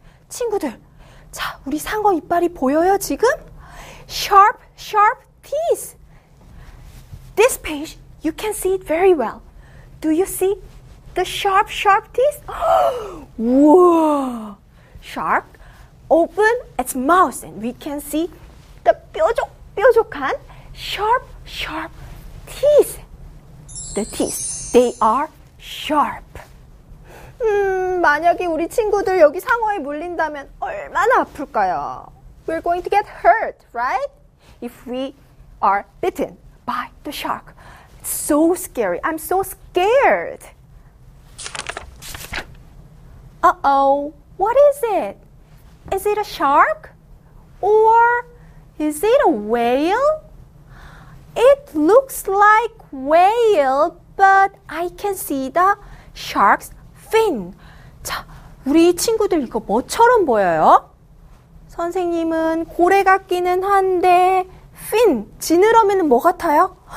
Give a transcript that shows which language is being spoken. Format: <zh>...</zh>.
<ko>친구들, 자, 우리 상어 이빨이 보여요, 지금?</ko> <en>Sharp, sharp teeth. This page, you can see it very well. Do you see the sharp, sharp teeth? Whoa! Shark open its mouth and we can see the 뾰족뾰족한 sharp, sharp teeth. The teeth, they are sharp.</en> <ko>만약에 우리 친구들 여기 상어에 물린다면 얼마나 아플까요?</ko> <en>We're going to get hurt, right? If we are bitten by the shark. It's so scary. I'm so scared. Uh-oh. What is it? Is it a shark? Or is it a whale? It looks like whale, but I can see the shark's fin.</en> <ko>자, 우리 친구들 이거 뭐처럼 보여요? 선생님은 고래 같기는 한데 fin, 지느러미는 뭐 같아요?</ko>